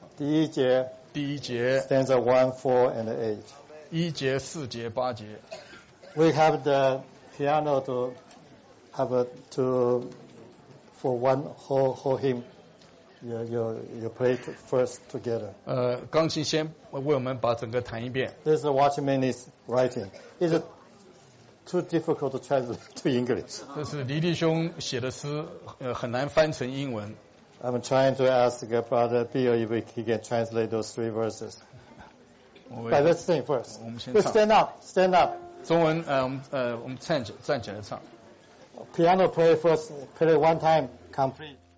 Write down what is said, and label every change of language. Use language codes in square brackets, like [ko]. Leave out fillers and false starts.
[zh] 第一节 [en] stanza 1, 4, and 8. [zh] 1节、4节、8节。 [en] We have the piano to have a, to, for one whole hymn. You play first together. [zh] 钢琴先为我们把整个弹一遍。 [en] This is what Watchman is writing. It's too difficult to translate to English. [zh] 这是黎弟兄写的诗，很难翻成英文。 [en] I'm trying to ask Brother Bill if he can translate those three verses. But let's sing first. Let's stand up. [zh] 中文，我们站起来唱。 [en] piano play first, play one time, complete.